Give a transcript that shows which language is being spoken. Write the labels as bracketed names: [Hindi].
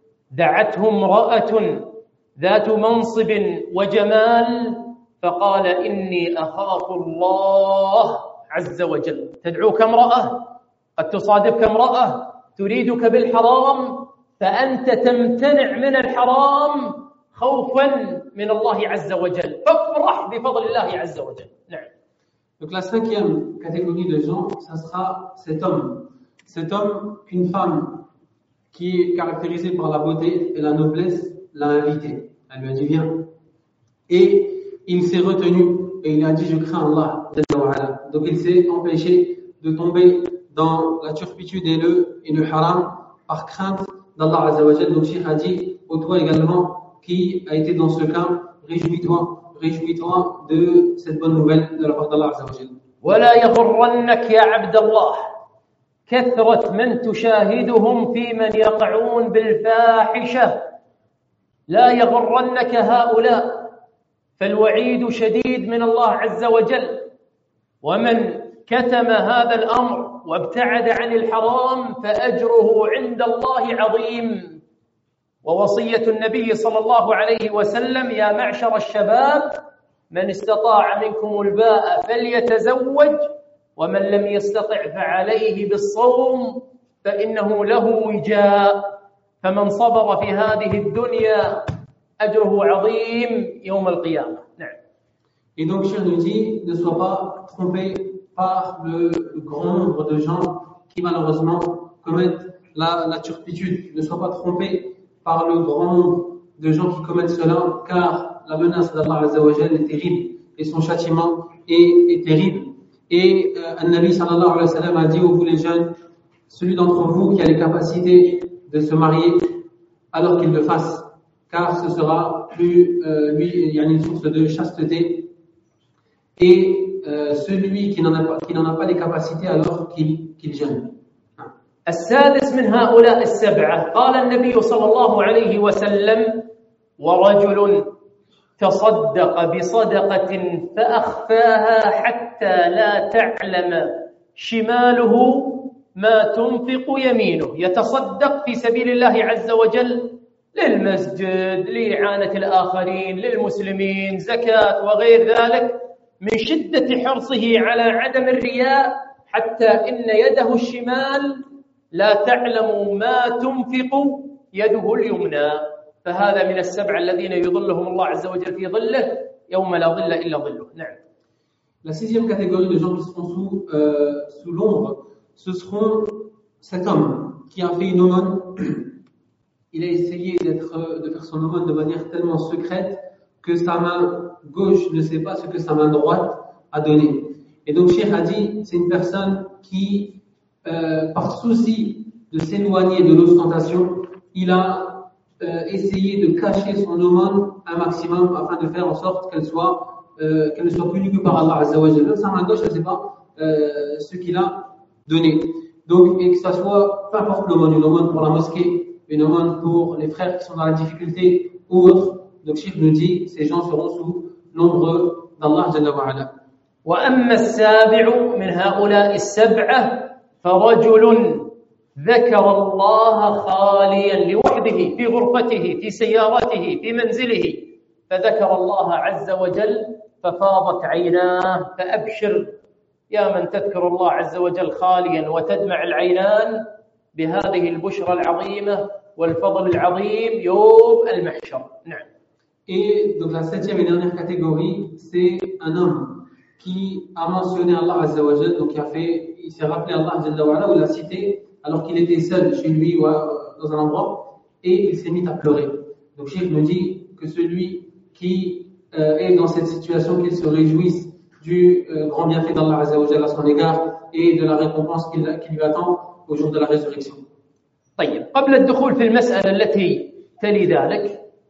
[Arabic] دعته امرأة ذات منصب وجمال فقال إني أخاف الله عز وجل. تدعوك امرأة قد تصادفك امرأة تريدك بالحرام فأنت تمتنع من الحرام خوفا من الله عز وجل فافرح بفضل الله عز وجل. نعم. [French] Donc la cinquième catégorie de gens, ça sera cet homme. Cet homme, une femme qui est caractérisée par la beauté et la noblesse, l'a invité. Elle lui a dit, viens. Et il s'est retenu et il a dit, je crains Allah. Donc il s'est empêché de tomber dans la turpitude et le haram par crainte d'Allah Azza wa Jal. Donc Cheikh a dit, ô toi également qui a été dans ce cas, réjouis-toi de cette bonne nouvelle de la part d'Allah Azza wa Jal. [Arabic] وَلَا يَغُرَّنَّكَ يَا عَبْدَ اللَّهِ كثرة من تشاهدهم في من يقعون بالفاحشة لا يغرنك هؤلاء فالوعيد شديد من الله عز وجل ومن كتم هذا الأمر وابتعد عن الحرام فأجره عند الله عظيم ووصية النبي صلى الله عليه وسلم يا معشر الشباب من استطاع منكم الباء فليتزوج وَمَنْ لَمْ يَسْتَطِعْ فَعَلَيْهِ بِالصَّوْمِ فَإِنَّهُ لَهُ وِجَاءُ فَمَنْ صَبَرَ فِي هَذِهِ الدُّنْيَا أَجْرُهُ عَظِيمٌ يَوْمَ الْقِيَامَةِ. نعم. [French] Et donc, Cheikh nous dit, ne sois pas trompé par le grand nombre de gens qui malheureusement commettent la turpitude. Ne sois pas trompé par le grand nombre de gens qui commettent cela, car la menace d'Allah Azza wa Jalla est terrible et son châtiment est terrible. Et Nabi sallallahu alayhi wa sallam a dit aux vous les jeunes, celui d'entre vous qui a les capacités de se marier, alors qu'il le fasse, car ce sera plus lui il y a une source de chasteté. Et celui qui n'en a pas les capacités, alors qu'il jeûne. [Arabic] السادس من هؤلاء السبعة قال النبي صلى الله عليه وسلم ورجل تصدق بصدقة فأخفاها حتى لا تعلم شماله ما تنفق يمينه يتصدق في سبيل الله عز وجل للمسجد لإعانة الآخرين للمسلمين زكاة وغير ذلك من شدة حرصه على عدم الرياء حتى إن يده الشمال لا تعلم ما تنفق يده اليمنى فهذا من السبع الذين يظلهم الله عز وجل في ظله يوم لا ظل إلا ظله. نعم. [French] La sixième catégorie de gens qui seront sous l'ombre, ce seront cet homme qui a fait une aumône. Il a essayé de faire son aumône de manière tellement secrète que sa main gauche ne sait pas ce que sa main droite a donné. Et donc Cheikh a dit, c'est une personne qui, par souci de s'éloigner de l'ostentation, il a essayer de cacher son aumône un maximum afin de faire en sorte qu'elle ne soit plus lue par Allah Azza wa Jal. Sa main gauche, elle ne sait pas ce qu'il a donné. Donc, et que ce soit, peu importe l'aumône, une aumône pour la mosquée, une aumône pour les frères qui sont dans la difficulté ou autre. Donc, Cheikh nous dit, ces gens seront sous l'ombre d'Allah Jalla wa Ala. [Arabic] Wa amma al-sabi'u min ha'ulai al-sab'a fa rajulun ذكر الله خاليا لوحده في غرفته في سيارته في منزله فذكر الله عز وجل ففاضت عيناه فأبشر يا من تذكر الله عز وجل خاليا وتدمع العينان بهذه البشرة العظيمة والفضل العظيم يوم المحشر. نعم. [French] Et donc la septième et dernière catégorie, c'est un homme qui a mentionné Allah عز وجل, donc il s'est rappelé Allah عز وجل ou l'a cité alors qu'il était seul chez lui dans un endroit et il s'est mis à pleurer. Donc Cheikh nous dit que celui qui est dans cette situation, qu'il se réjouisse du grand bienfait d'Allah Azza wa Jalla à son égard et de la récompense qui lui attend au jour de la résurrection. [Arabic] طيب قبل الدخول في المسألة التي تلي ذلك.